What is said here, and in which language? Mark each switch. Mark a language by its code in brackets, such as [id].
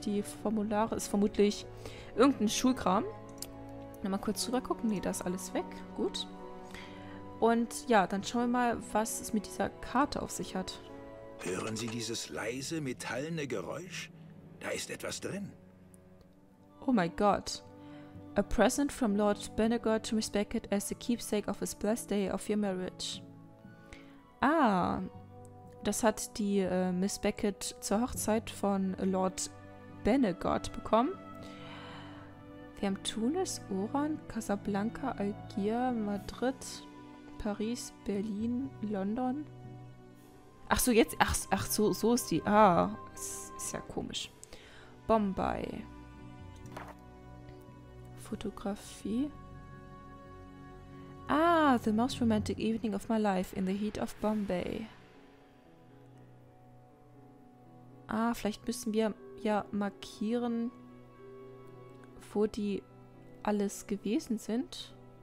[de] Die Formulare ist vermutlich irgendein Schulkram. Mal kurz drüber gucken. Nee, da ist alles weg. Gut. Und ja, dann schauen wir mal, was es mit dieser Karte auf sich hat. Hören Sie dieses leise, metallene Geräusch? Da ist etwas drin. Oh mein Gott. [en] A present from Lord Benegor to Miss Beckett as the keepsake of his blessed day of your marriage. Ah. [de] Das hat die Miss Beckett zur Hochzeit von Lord Benegott bekommen. Wir haben Tunis, Oran, Casablanca, Algier, Madrid, Paris, Berlin, London. Ach so, jetzt. Ach so, so ist die. Ah, ist ja komisch. Bombay. Fotografie. [en] Ah, the most romantic evening of my life in the heat of Bombay. [de] Ah, vielleicht müssen wir ja markieren, wo die alles gewesen sind.